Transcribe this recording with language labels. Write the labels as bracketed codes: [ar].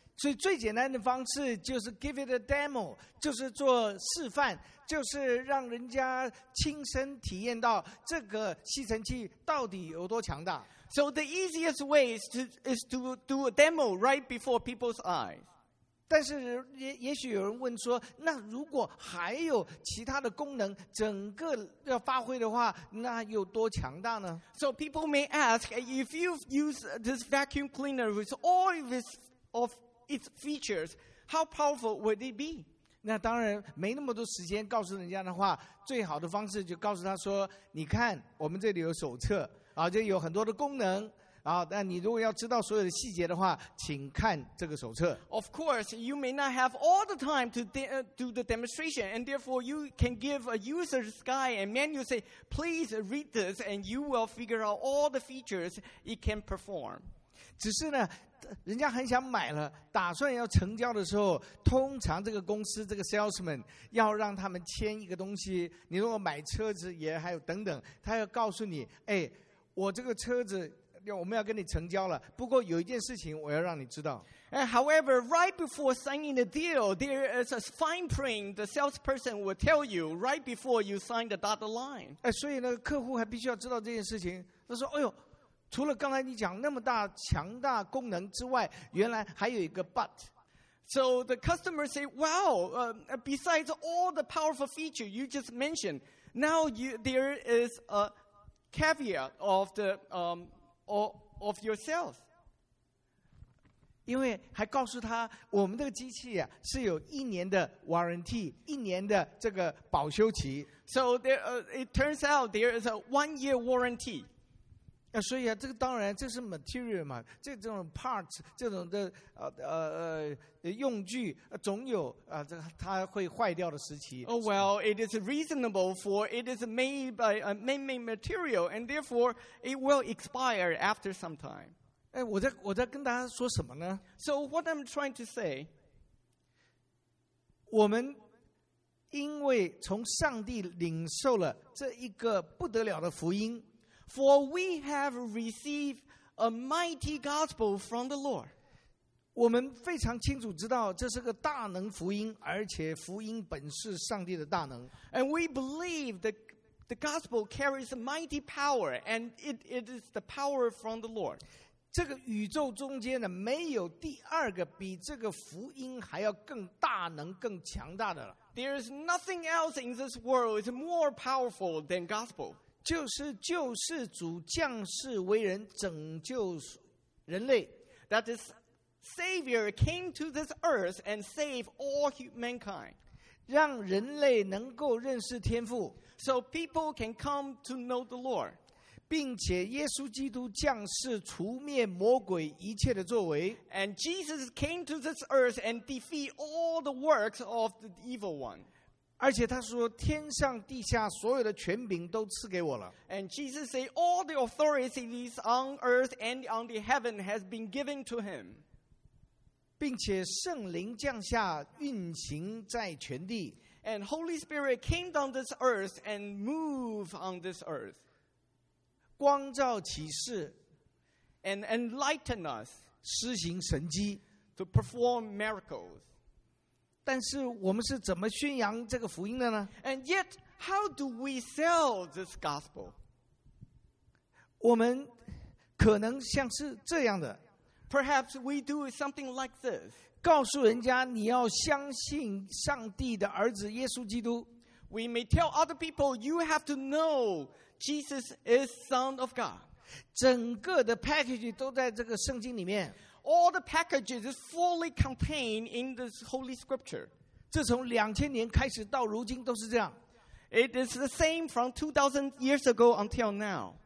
[zh] 所以最简单的方式就是 [en] give it a demo， [zh] 就是做示范，就是让人家亲身体验到这个吸尘器到底有多强大。 [en] So the easiest way is to do a demo right before people's eyes. [zh] 但是 也许有人问说，那如果还有其他的功能整个要发挥的话，那有多强大呢？ [en] So people may ask, if you use this vacuum cleaner with all of its features, how powerful would it be? [zh] 那当然没那么多时间告诉人家的话，最好的方式就告诉他说，你看我们这里有手册啊，就有很多的功能啊，但你如果要知道所有的细节的话，请看这个手册。 [en] Of course, you may not have all the time to do the demonstration, and therefore you can give a user's guide and manual, say, please read this, and you will figure out all the features it can perform. [zh] 只是呢，人家很想买了，打算要成交的时候，通常这个公司这个 salesman 要让他们签一个东西，你如果买车子也还有等等，他要告诉你，哎，我这个车子我们要跟你成交了，不过有一件事情我要让你知道。 [en] And however, right before signing the deal, there is a fine print the salesperson will tell you right before you sign the dotted line. [zh] 哎，所以呢，客户还必须要知道这件事情。他说，哎呦，除了刚才你讲那么大强大功能之外，原来还有一个 but。 [en] So the customer say, wow, besides all the powerful feature you just mentioned, now there is a caveat of the of yourself. [zh] 因为还告诉他，我们这个机器啊是有一年的 warranty， 一年的这个保修期。 [en] So there, it turns out there is a 1 year warranty. [zh] 所以啊，这个当然这是 material 嘛，这种 parts 这种的用具总有这个它会坏掉的时期。 [en] Oh well, it is reasonable for it is made by a man-made material, and therefore it will expire after some time. [zh] 哎，我在跟大家说什么呢 [en] ？So what I'm trying to say, [zh] 我们因为从上帝领受了这一个不得了的福音。 [en] For we have received a mighty gospel from the Lord. [zh] 我们非常清楚知道这是个大能福音，而且福音本是上帝的大能。 [en] And we believe that the gospel carries a mighty power, and it is the power from the Lord. [zh] 这个宇宙中间呢，没有第二个比这个福音还要更大能、更强大的了。 [en] There is nothing else in this world is more powerful than gospel. [zh] 就是救世主降世为人拯救人类 [en] That is Savior came to this earth and saved all mankind [zh] 让人类能够认识天父 [en] So people can come to know the Lord [zh] 并且耶稣基督降世除灭魔鬼一切的作为 [en] And Jesus came to this earth and defeat all the works of the evil one [zh] 而且他说天上地下所有的权柄都赐给我了 [en] And Jesus said all the authorities on earth and on the heaven has been given to him [zh] 并且圣灵降下运行在全地 [en] And Holy Spirit came down this earth and moved on this earth [zh] 光照启示 [en] And enlighten us [zh] 施行神迹 [en] To perform miracles [zh] 但是我们是怎么宣扬这个福音的呢 [en] ？And yet, how do we sell this gospel? [zh] 我们可能像是这样的 [en] ，Perhaps we do something like this. [zh] 告诉人家你要相信上帝的儿子耶稣基督。 [en] We may tell other people you have to know Jesus is Son of God. [zh] 整个的 package 都在这个圣经里面。 [en] All the packages is fully contained in the Holy Scripture. [zh] 这从2000年开始到如今都是这样。 [en] It is the same from 2000 years ago until now.